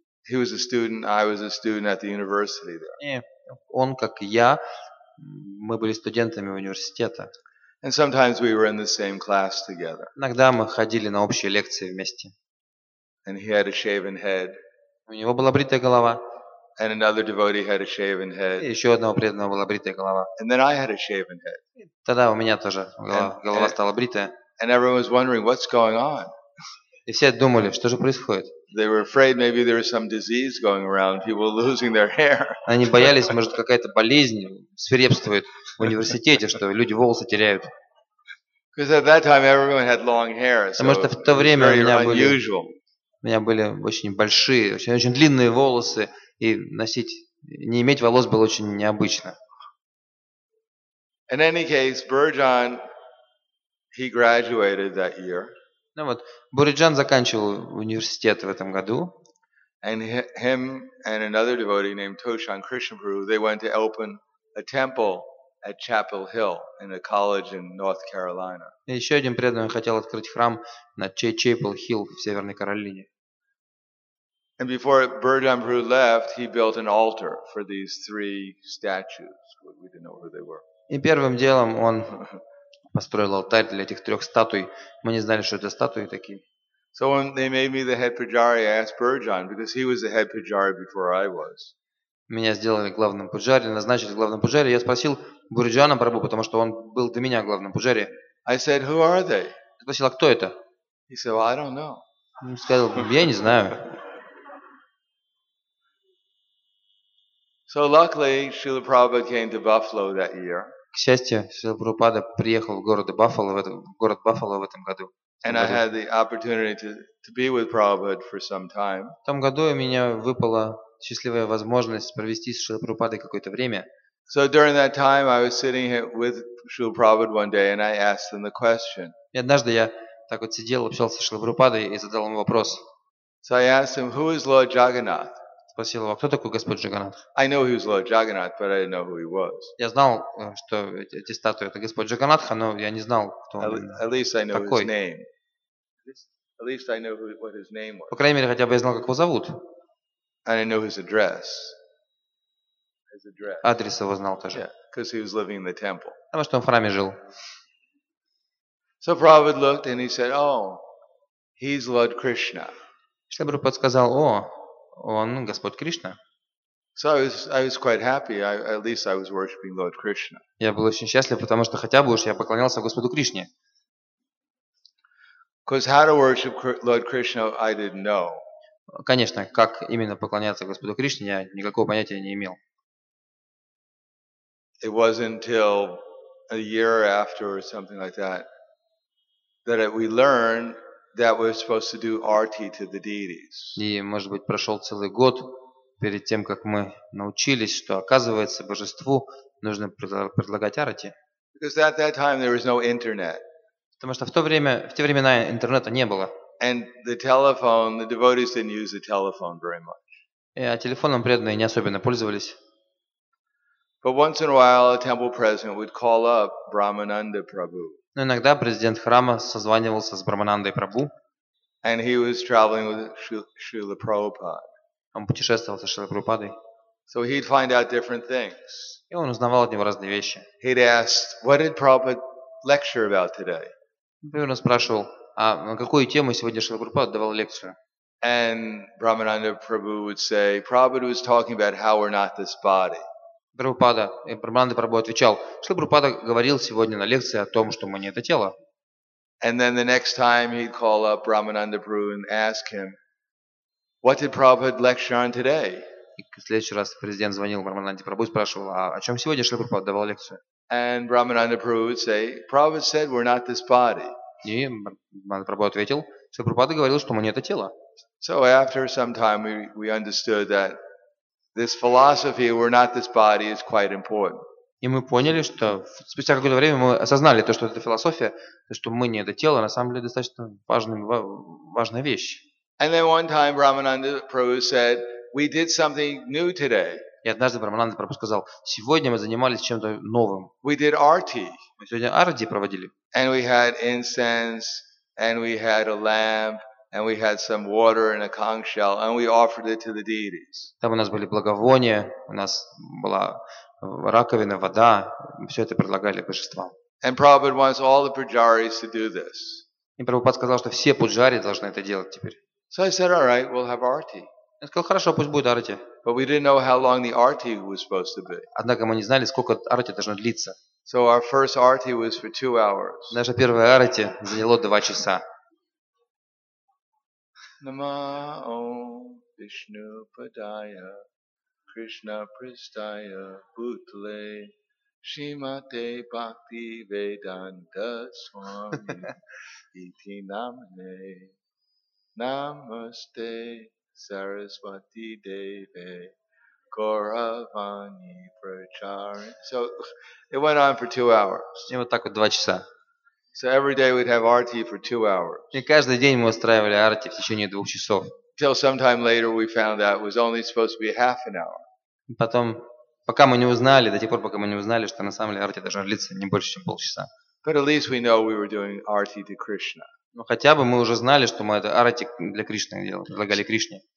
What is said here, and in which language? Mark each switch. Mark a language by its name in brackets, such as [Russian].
[English] I was a student at the university there. [Russian] И он, как и я, мы были студентами университета. [English] And sometimes we were in the same class together. [Russian] Иногда мы ходили на общие лекции вместе. [English] And he had a shaven head. [Russian] У него была бритая голова. [English] And another devotee had a shaven head. [Russian] И еще одного преданного была бритая голова. [English] And then I had a shaven head. [Russian] И тогда у меня тоже голова стала бритая. [English] And everyone was wondering what's going on. [Russian] И все думали, что же происходит. [English] They were afraid maybe there was some disease going around, people losing their hair. [Russian] Они боялись, может, какая-то болезнь свирепствует в университете, что люди волосы теряют. [English] Because at that time everyone had long hair. [Russian] Потому что в то время у меня были очень большие, очень, очень длинные волосы, и носить, не иметь волос было очень необычно. [English] In any case, Burjan, he graduated that year. [Russian] Ну вот, Бурджан заканчивал университет в этом году. [English] And him and another devotee named Toshan Krishnaprabhu, they went to open a temple at Chapel Hill in a college in North Carolina. [Russian] И еще один преданный хотел открыть храм на Chapel Hill в Северной Каролине. [English] And before Burjan Prabhu left, he built an altar for these three statues. We didn't know who they were. [Russian] И первым делом он построил алтарь для этих трех статуй. Мы не знали, что это статуи такие. [English] So when they made me the head pujari, I asked Burjan, because he was the head pujari before I was. [Russian] Меня сделали главным пуджари, назначили главным пуджари. Я спросил Бурджана Прабху, потому что он был до меня главным пуджари. [English] I said, who are they? [Russian] Спросил, а кто это? [English] He said, well, I don't know. [Russian] Он сказал, я не знаю. [English] So luckily, Srila Prabhupada came to Buffalo that year. [Russian] К счастью, Шрила Прабхупада приехал в город Баффало в этом году. [English] And I had the opportunity to be with Prabhupada for some time. [Russian] В том году у меня выпала счастливая возможность провести с Шрилой Прабхупадой какое-то время. [English] So during that time, I was sitting with Srila Prabhupada one day, and I asked him the question. [Russian] И однажды я так вот сидел, общался с Шрилой Прабхупадой и задал ему вопрос. [English] So I asked him, who is Lord Jagannath? [Russian] Спросил его, кто такой Господь Джаганат? [English] I know he was Lord Jagannath, but I didn't know who he was. [Russian] Я знал, что эти статуи это Господь Джаганатха, но я не знал, кто он. [English] At least I know [Russian] такой. [English] His name. At least I know what his name was. [Russian] По крайней мере, хотя бы я знал, как его зовут. [English] And I know his address. His address. [Russian] Адрес его знал тоже. [English] Yeah, because he was living in the temple. [Russian] Потому что он в храме жил. [English] So Prabhupada looked and he said, "Oh, he's Lord Krishna." [Russian] Шрила Прабхупада сказал, о. Он Господь Кришна. [English] So I was quite happy. At least I was worshiping Lord Krishna. [Russian] Я был очень счастлив, потому что хотя бы уж я поклонялся Господу Кришне. [English] Because how to worship Lord Krishna, I didn't know. [Russian] Конечно, как именно поклоняться Господу Кришне, я никакого понятия не имел. [English] It wasn't until a year after or something like that that we learned. That we're supposed to do arti to the deities. [Russian] И, может быть, прошел целый год перед тем, как мы научились, что оказывается божеству нужно предлагать арти. [English] Because at that time there was no internet. [Russian] Потому что в те времена интернета не было. [English] And the telephone, the devotees didn't use the telephone very much. [Russian] И телефоном преданные не особенно пользовались. [English] But once in a while, a temple president would call up Brahmananda Prabhu. [Russian] Но иногда президент храма созванивался с Брахманандой Прабху. [English] And he was traveling with Srila Prabhupada. [Russian] Он путешествовал со Шрилой Прабхупадой. [English] So he'd find out different things. [Russian] И он узнавал от него разные вещи. [English] He'd asked, what did Prabhupada lecture about today? [Russian] Например, он спрашивал, а на какую тему сегодня Шрила Прабхупада давал лекцию? [English] And Brahmananda Prabhu would say, Prabhupada was talking about how we're not this body. [Russian] Брахмананда Прабху отвечал, что Шрила Прабхупада говорил сегодня на лекции о том, что мы не это тело. [English] And then the next time he'd call up Brahmananda Prabhu and ask him, what did Prabhupada lecture on today? [Russian] И в следующий раз президент звонил Брамананде Прабху и спрашивал, а о чем сегодня Шрила Прабхупада давал лекцию? [English] And Brahmananda Prabhu would say, Prabhupada said, we're not this body. [Russian] И Брамананда Прабху ответил, Шрила Прабхупада говорил, что мы не это тело. [English] So after some time we understood that this philosophy, we're not this body, is quite important. [Russian] И мы поняли, что спустя какое-то время мы осознали то, что эта философия, то, что мы не это тело, на самом деле достаточно важная вещь. [English] And then one time Brahmananda Prabhu said, we did something new today. [Russian] И однажды Брамананда Прабху сказал, сегодня мы занимались чем-то новым. [English] We did arti. [Russian] Мы сегодня арти проводили. [English] And we had incense, and we had a lamp, and we had some water in a conch shell, and we offered it to the deities. [Russian] Там у нас были благовония, у нас была раковина, вода, все это предлагали божествам. [English] And Prabhupada wants all the pujaris to do this. [Russian] И Прабхупад сказал, что все пуджари должны это делать теперь. [English] So I said, all right, we'll have arti. [Russian] Я сказал, хорошо, пусть будет арти. [English] But we didn't know how long the arti was supposed to be. [Russian] Однако мы не знали, сколько арти должно длиться. [English] So our first arti was for 2 hours. [Russian] Наша первая арти заняла 2 часа. [Sanskrit] Нама Ом Вишну Падая Кришна Пристая Бутле Шимате Бхакти Веданта Свами Ити Намне Намасте Saraswati Deve Gauravani Prachari. [English] So it went on for 2 hours. [Russian] И вот так вот 2 часа. [English] So every day we'd have arti for 2 hours. [Russian] И каждый день мы устраивали арти в течение 2 часов. [English] Till sometime later we found out it was only supposed to be half an hour. [Russian] Потом, пока мы не узнали, до тех пор, пока мы не узнали, что на самом деле арти должна длиться не больше, чем 30 минут. [English] But at least we know we were doing arti to Krishna. [Russian] Но хотя бы мы уже знали, что мы это арати для Кришны делали, предлагали Кришне.